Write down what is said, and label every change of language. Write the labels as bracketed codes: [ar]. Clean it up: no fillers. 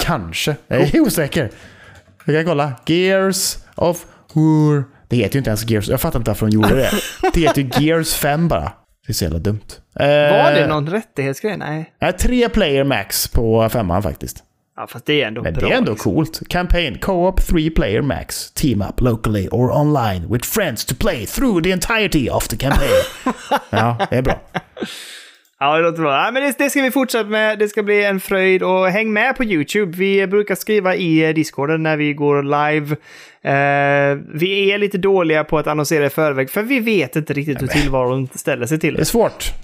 [sv] Kanske. Jag är osäker. Vi kan kolla. Gears of War. Det heter ju inte ens Gears. Jag fattar inte varför de gjorde det. Det heter ju Gears 5 bara. Det är så jävla dumt. Var det någon rättighetsgrej? Nej. Är 3 player max på femman faktiskt. Ja, fast det är ändå men bra. Det är ändå coolt. [en] Campaign, co-op, 3 player max. Team up locally or online with friends to play through the entirety of the campaign. [sv] Ja, det är bra. Ja, det låter bra. Ja, men det ska vi fortsätta med. Det ska bli en fröjd. Och häng med på YouTube. Vi brukar skriva i Discorden när vi går live. Vi är lite dåliga på att annonsera i förväg, för vi vet inte riktigt hur tillvaron ställer sig till. Det är svårt.